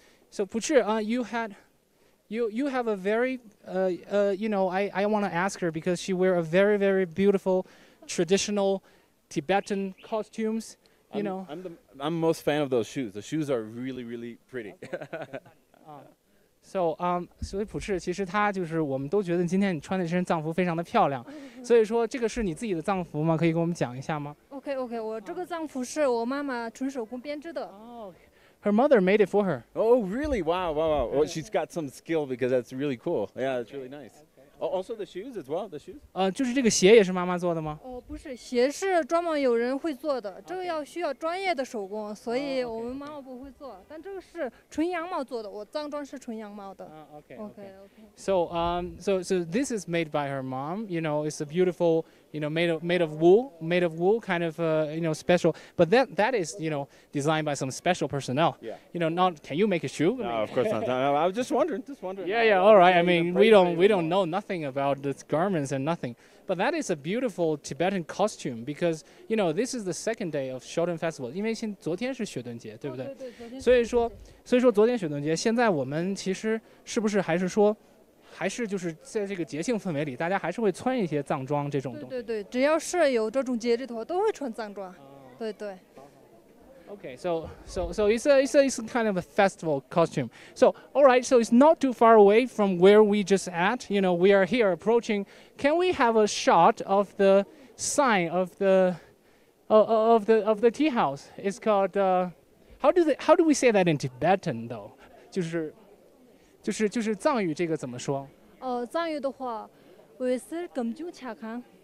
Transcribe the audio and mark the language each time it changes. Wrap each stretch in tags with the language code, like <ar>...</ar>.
<en>So Puchi, you have a very I want to ask her, because she wear a very, very beautiful traditional Tibetan costumes. I'm most fan of those shoes. The shoes are really, really pretty.</en> <zh>So Puchi, 其实她就是我们都觉得今天你穿的这身藏服非常的漂亮，所以说这个是你自己的藏服吗？可以跟我们讲一下吗？ Okay, 我这个藏服是我妈妈纯手工编织的。Oh,</zh> <en>okay. Her mother made it for her. Oh, really? Wow. Well, she's got some skill, because that's really cool. Yeah, that's really nice. Okay. Oh, also the shoes as well, the shoes?</en> <zh>就是这个鞋也是妈妈做的吗？不是，鞋是专门有人会做的，这个要需要专业的手工，所以我们妈妈不会做。但这个是纯羊毛做的，我藏装是纯羊毛的。</zh> <en>So this is made by her mom. You know, it's a beautiful, you know, made of wool, kind of, you know, special. But that is, you know, designed by some special personnel. Yeah. You know, can you make a shoe? No, of course not. I was just wondering. Yeah, all right. I mean, we don't know nothing about this garments and nothing. But that is a beautiful Tibetan costume because, you know, this is the second day of Shodan Festival.</en> <zh>因为昨天是雪顿节，对不对？所以说昨天雪顿节，现在我们其实是不是还是就是在这个节庆氛围里，大家还是会穿一些藏装这种东西。对对对，只要是有这种节日的话，都会穿藏装。对对。</zh> <en>Okay, so it's a kind of a festival costume. So, all right, so it's not too far away from where we just at. You know, we are here approaching. Can we have a shot of the sign of the tea house? It's called how do we say that in Tibetan though?</en> <zh>就是藏语这个怎么说？藏语的话，我是根据查看。</zh>